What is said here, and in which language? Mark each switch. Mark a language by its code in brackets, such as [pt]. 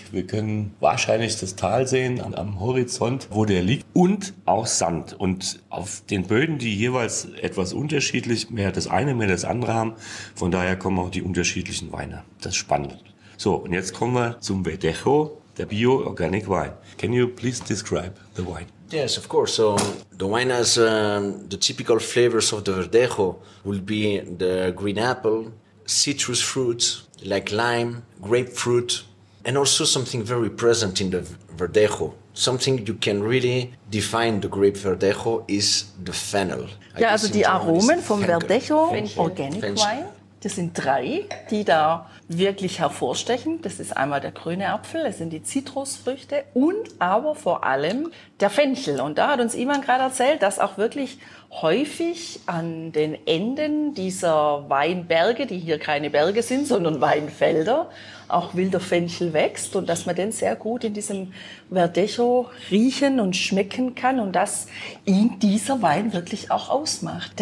[de] Wir können wahrscheinlich das Tal sehen am Horizont, wo der liegt, und auch Sand. Und auf den Böden, die jeweils etwas unterschiedlich, mehr das eine, mehr das andere haben, von daher kommen auch die unterschiedlichen Weine. Das ist spannend. So, und jetzt kommen wir zum Verdejo. [en] The bio organic wine. Can you please describe the wine? Yes, of course. So the wine has the typical flavors of the Verdejo will be the green apple, citrus fruits like lime, grapefruit, and also something very present in the Verdejo. Something you can really define the grape Verdejo is the fennel. [de] Ja, also die Aromen vom Verdejo organic wine. Das sind drei, die da wirklich hervorstechen. Das ist einmal der grüne Apfel, das sind die Zitrusfrüchte und aber vor allem der Fenchel. Und da hat uns Iman gerade erzählt, dass auch wirklich häufig an den Enden dieser Weinberge, die hier keine Berge sind, sondern Weinfelder, auch wilder Fenchel wächst und dass man den sehr gut in diesem Verdejo riechen und schmecken kann und dass ihn dieser Wein wirklich auch ausmacht.